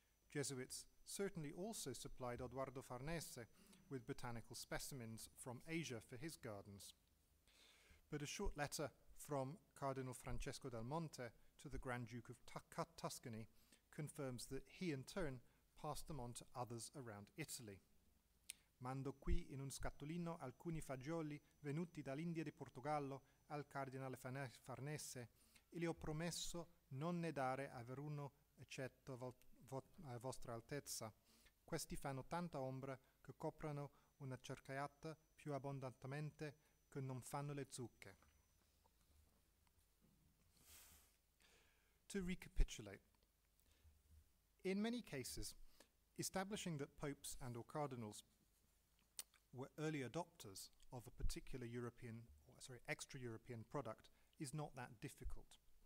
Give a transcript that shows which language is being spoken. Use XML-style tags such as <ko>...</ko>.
<en>Jesuits certainly also supplied Eduardo Farnese with botanical specimens from Asia for his gardens. But a short letter from Cardinal Francesco del Monte to the Grand Duke of Tuscany confirms that he in turn passed them on to others around Italy.</en> <it>Mando qui in un scatolino alcuni fagioli venuti dall'India di Portogallo al Cardinale Farnese, e le ho promesso non ne dare a veruno eccetto a vostra altezza. Questi fanno tanta ombra che coprono una cerchiata più abbondantemente che non fanno le zucche.</it> <en>To recapitulate, in many cases, establishing that popes and or cardinals were early adopters of a particular European, or sorry, extra-European product is not that difficult.</en>